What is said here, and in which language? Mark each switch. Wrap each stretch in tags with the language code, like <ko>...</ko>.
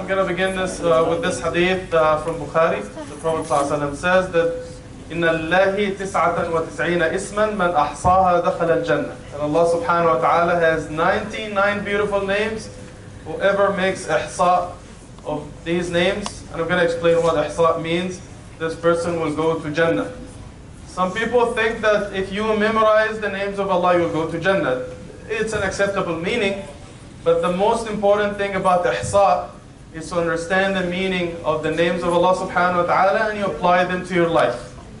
<en>I'm going to begin this with this hadith from Bukhari. The Prophet says that</en> <ar>إِنَّ اللَّهِ تِسْعَةً وَتِسْعِينَ إِسْمًا مَنْ أَحْصَاهَا دَخَلَ الْجَنَّةِ.</ar> <en>And Allah subhanahu wa ta'ala has 99 beautiful names. Whoever makes ihsa of these names, and I'm going to explain what ihsa means, this person will go to Jannah. Some people think that if you memorize the names of Allah, you'll go to Jannah. It's an acceptable meaning, but the most important thing about ihsa is to understand the meaning of the names of Allah subhanahu wa ta'ala and you apply them to your life.</en>